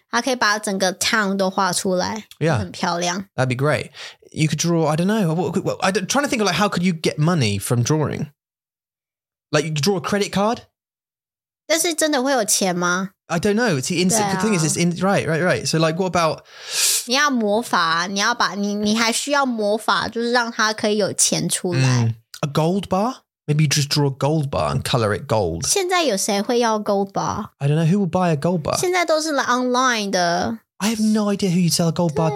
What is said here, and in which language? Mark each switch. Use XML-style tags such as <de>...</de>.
<zh>他可以把整个 town 都画出来。</zh> <en>Yeah.</en> <zh>很漂亮。</zh> <en>That'd be great. You could draw, I don't know. I'm trying to think of like, how could you get money from drawing? Like, you could draw a credit card?</en> <zh>但是真的会有钱吗?</zh> <en>I don't know. It's the instant, the thing is, it's in, right. So like, what about...</en> <zh>你要魔法,你要把,你还需要魔法,就是让它可以有钱出来。</zh> <en>A gold bar? Maybe you just draw a gold bar and color it gold.</en> <zh>现在有谁会要 gold bar?</zh> <en>I don't know. Who would buy a gold bar?</en> <zh>现在都是 like online 的。</zh> <en>I have no idea who you sell a gold bar.</en>